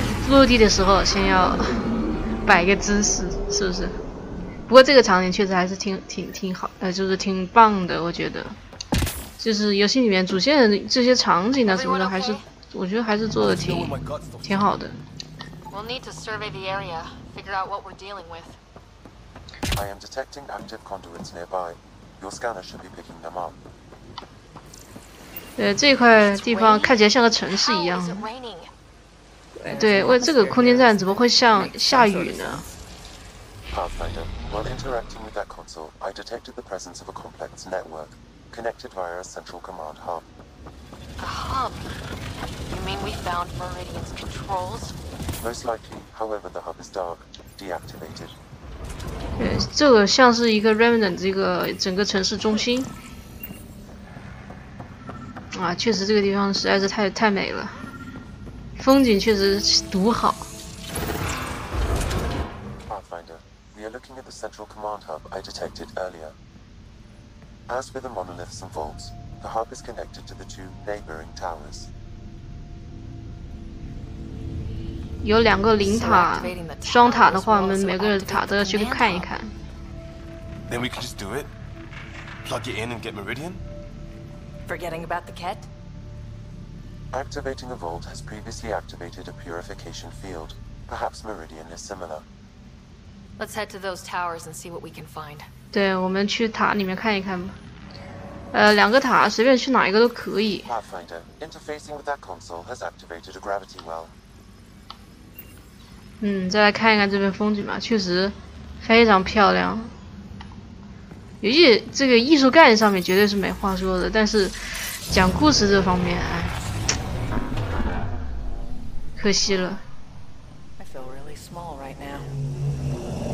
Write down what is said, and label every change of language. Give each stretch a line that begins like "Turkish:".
Chinese: 落地的时候先要摆个姿势是不是？不过这个场景确实还是挺好就是挺棒的，我觉得。就是游戏里面主线的这些场景啊什么的，还是我觉得还是做的挺好的。
English: We'll need to survey the area, figure out what we're dealing with. I am detecting active conduits nearby. Your scanner should be picking them up.
Chinese: 这块地方看起来像个城市一样。对，为这个空间站怎么会像下雨呢
English: ？Pathfinder, while interacting with that console, I detected the presence of a complex network connected via a central command hub. A hub? You mean we found Meridian's controls? Most likely, however, the hub is dark, deactivated.
Chinese: 这个像是一个 remnant， 这个整个城市中心。啊，确实这个地方实在是太美了，风景确实独好。
English: Pathfinder, we are looking at the central command hub I detected earlier. As with the monoliths and vaults, the hub is connected to the two neighboring towers.
Chinese: 有两个灵塔，双塔的话，我们每个塔都要去看一看。
English: Then we can just do it. Plug it in and get Meridian. Forgetting about the Ket. Activating a vault has previously activated a purification field. Perhaps Meridian is similar. Let's head to those towers and see what we can find.
Chinese: 对，我们去塔里面看一看吧。两个塔随便去哪一个都可以。
English: Pathfinder, interfacing with that console has activated a gravity well.
Chinese: 再来看一看这边风景吧，确实非常漂亮。尤其这个艺术概念上面绝对是没话说的，但是讲故事这方面，哎，可惜了。
English: I feel really small right now.